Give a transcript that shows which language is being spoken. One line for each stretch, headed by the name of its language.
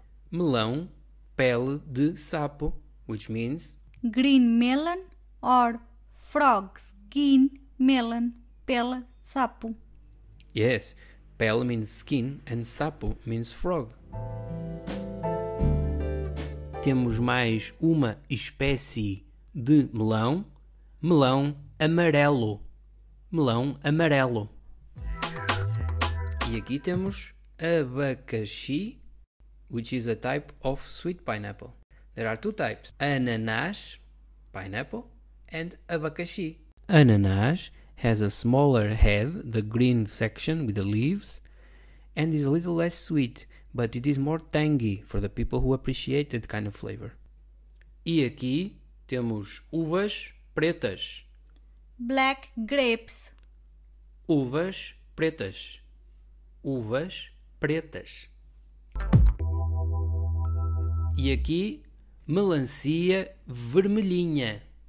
Portuguese: Melão, pele de sapo,
English: which means green melon or frog skin melon, pele sapo. Yes, pele means skin and sapo means frog.
Portuguese: Temos mais uma espécie de melão. Melão amarelo. Melão amarelo. E aqui temos abacaxi,
English: which is a type of sweet pineapple. There are two types. Ananás, pineapple, and abacaxi. Ananás has a smaller head, the green section with the leaves, and is a little less sweet, but it is more tangy for the people who appreciate that kind of flavor.
Portuguese: E aqui temos uvas pretas.
English: Black grapes.
Portuguese: Uvas pretas. Uvas pretas. E aqui, melancia vermelhinha.